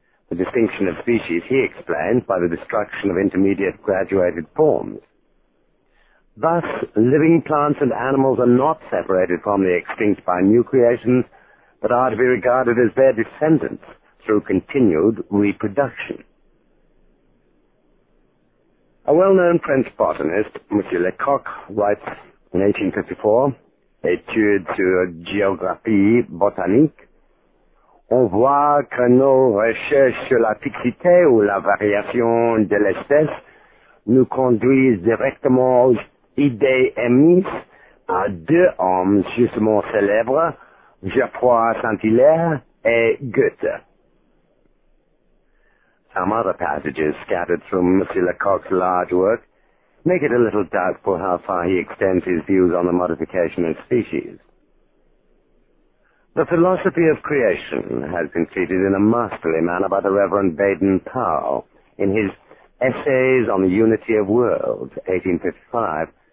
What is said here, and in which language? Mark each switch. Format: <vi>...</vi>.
<en>The distinction of species he explains by the destruction of intermediate graduated forms. Thus, living plants and animals are not separated from the extinct by new creations, but are to be regarded as their descendants through continued reproduction. A well-known French botanist, Monsieur Lecoq, writes in 1854,</en> <fr>Études sur Géographie Botanique, on voit que nos recherches sur la fixité ou la variation de l'espèce nous conduisent directement aux idées émises par deux hommes justement célèbres, Geoffroy Saint-Hilaire et Goethe.</fr> <en>Some other passages scattered through M. Lecoq's large work make it a little doubtful how far he extends his views on the modification of species. The philosophy of creation has been treated in a masterly manner by the Reverend Baden-Powell in his Essays on the Unity of Worlds, 1855.</en>